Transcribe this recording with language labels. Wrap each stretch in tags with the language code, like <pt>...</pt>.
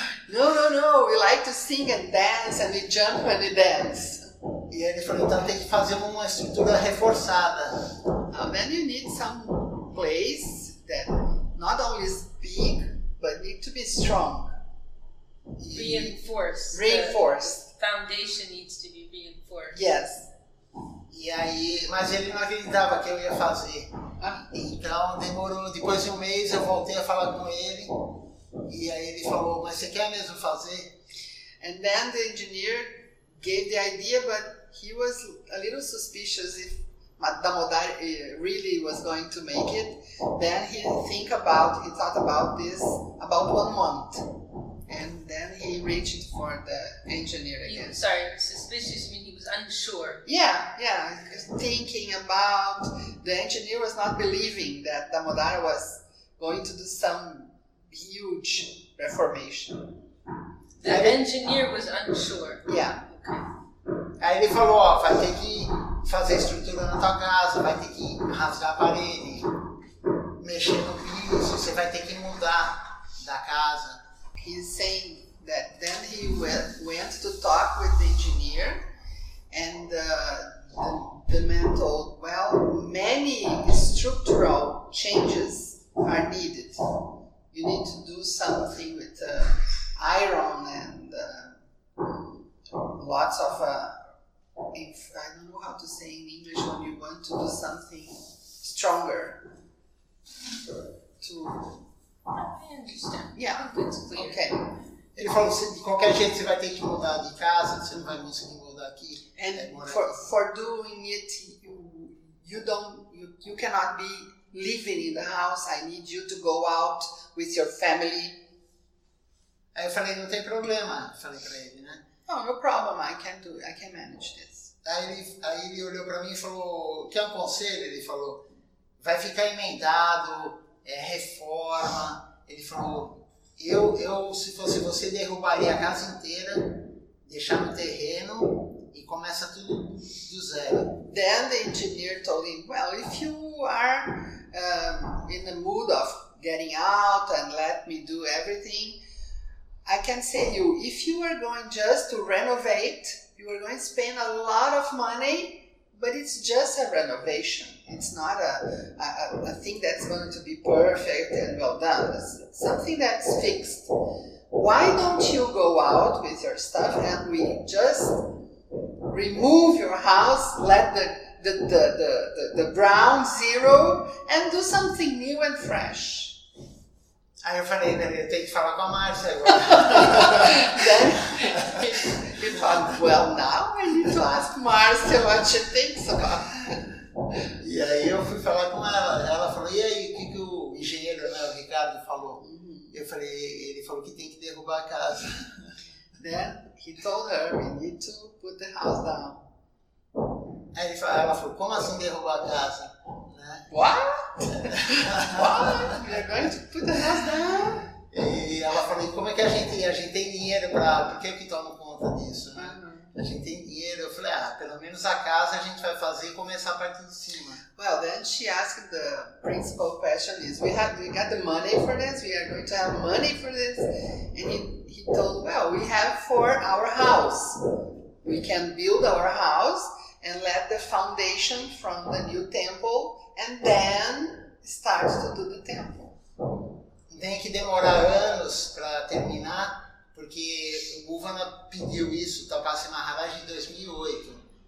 <en>No, we like to sing and dance, and we jump and we dance.</en> <pt>E ele falou, então tem que fazer uma estrutura reforçada.</pt> <en>Then you need some place that not only is big, but need to be strong. Reinforced. The foundation needs to be reinforced. Yes.</en> <pt>E aí, mas ele não acreditava que eu ia fazer. Então demorou, depois de um mês eu voltei a falar com ele. E aí ele falou, mas você quer mesmo fazer?</pt> <en>And then the engineer gave the idea, but he was a little suspicious if Damodar really was going to make it. Then he thought about this about 1 month. And then he reached for the engineer again. Sorry, suspicious means he was unsure. Yeah, thinking about, the engineer was not believing that Damodar was going to do some huge reformation. The engineer was unsure. Yeah.</en> <pt>Aí ele falou, ó, vai ter que fazer estrutura na tua casa, vai ter que rasgar a parede, mexer no piso, você vai ter que mudar da casa.</pt> <en>He's saying that then he went to talk with the engineer, and the man told, well, many structural changes are needed. You need to do something with iron and lots of... If I don't know how to say in English when you want to do something stronger. To... I understand. Yeah, it's clear. Okay.</en> <pt>Ele falou assim, de qualquer jeito você vai ter que mudar de casa, você não vai conseguir mudar aqui.</pt> <en>And for doing it, you cannot be living in the house. I need you to go out with your family.</en> <pt>Aí eu falei, não tem problema. Falei pra ele, né?</pt> <en>No problem, I can manage this.</en> <pt>Aí ele olhou para mim e falou, que é um conselho? Ele falou, vai ficar emendado, é reforma. Ele falou, eu se fosse você, derrubaria a casa inteira, deixar no terreno e começa tudo do zero.</pt> <en>Then the engineer told him, well, if you are in the mood of getting out and let me do everything, I can say you, if you are going just to renovate, you are going to spend a lot of money, but it's just a renovation. It's not a thing that's going to be perfect and well done. It's something that's fixed. Why don't you go out with your stuff and we just remove your house, let the brown zero, and do something new and fresh?</en> <pt>Aí eu falei, né, eu tenho que falar com a Márcia agora.</pt> <en>Then he thought, well, now I need to ask Márcia what she thinks about.</en> <pt>E aí eu fui falar com ela. Ela falou, e aí, o que o engenheiro, né, o Ricardo, falou? Eu falei, ele falou que tem que derrubar a casa.</pt> <en>Then he told her, we need to put the house down.</en> <pt>Aí ele falou, ela falou, como assim derrubar a casa?</pt> <en>What? We are going to put the house down?</en> <pt>E ela falou, como é que a gente tem dinheiro para... Por que eu que tomo conta disso, né? Uh-huh. A gente tem dinheiro. Eu falei, ah, pelo menos a casa a gente vai fazer e começar a partir de cima.</pt> <en>Well, then she asked the principal question is, we got the money for this, we are going to have money for this. And he told, well, we have for our house. We can build our house and let the foundation from the new temple and then start to do the temple.</en> <pt>Tem que demorar anos para terminar, porque o Bhuvana pediu isso, Tapasya Maharaj, em 2008.</pt>